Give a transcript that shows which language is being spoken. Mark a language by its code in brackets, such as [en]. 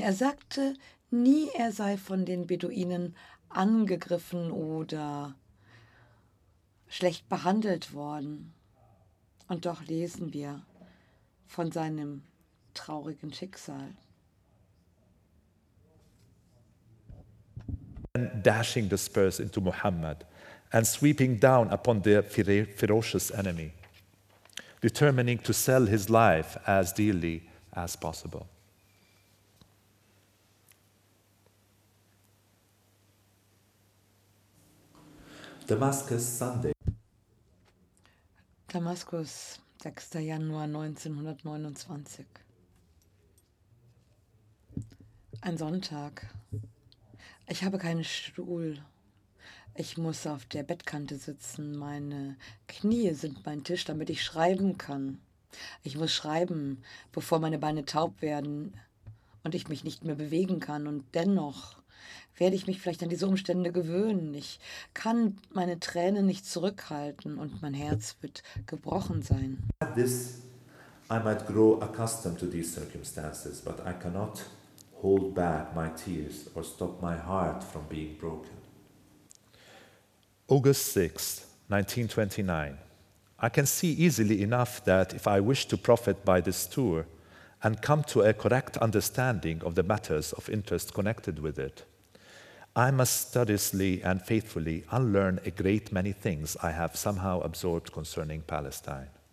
[de] Er sagte nie, er sei von den Beduinen angegriffen oder schlecht behandelt worden. Und doch lesen wir von seinem traurigen Schicksal. [en] And dashing the spurs into Muhammad and sweeping down upon the ferocious enemy, determining to sell his life as dearly as possible. Damascus Sunday. [de] Damascus, 6. Januar 1929. Ein Sonntag. Ich habe keinen Stuhl. Ich muss auf der Bettkante sitzen. Meine Knie sind mein Tisch, damit ich schreiben kann. Ich muss schreiben, bevor meine Beine taub werden und ich mich nicht mehr bewegen kann. Und dennoch werde ich mich vielleicht an diese Umstände gewöhnen. Ich kann meine Tränen nicht zurückhalten und mein Herz wird gebrochen sein. [en] This, I might grow accustomed to these circumstances, but I cannot hold back my tears or stop my heart from being broken. August 6, 1929. I can see easily enough that if I wish to profit by this tour and come to a correct understanding of the matters of interest connected with it, I must studiously and faithfully unlearn a great many things I have somehow absorbed concerning Palestine.